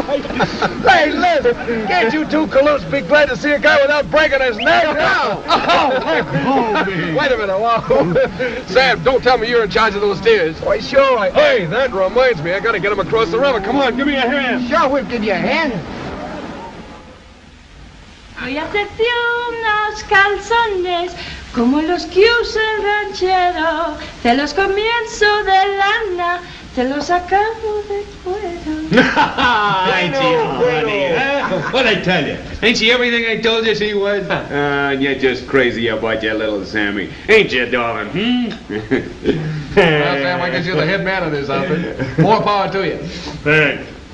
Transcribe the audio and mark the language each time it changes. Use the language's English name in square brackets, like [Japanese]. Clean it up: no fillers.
[English] Hey, listen. Can't you two colossus be glad to see a guy without breaking his neck? No. Wait a minute, Wahoo. Sam, don't tell me you're in charge of those steers. Why, sure I am. Hey, that reminds me. I got to get him across the river. Come on, give me a hand. Sure, we'll give you a hand. [Spanish] Voy a hacerte unos calzones como los que usa el ranchero. Te los comienzo de lana, te los acabo de cuero. [English] Ay, Gio, honey, huh? What'd I tell you? Ain't she everything I told you she was? And you're just crazy about your little Sammy. Ain't you, darling? Hmm? Well, Sam, I guess you're the head man of this outfit. More power to you.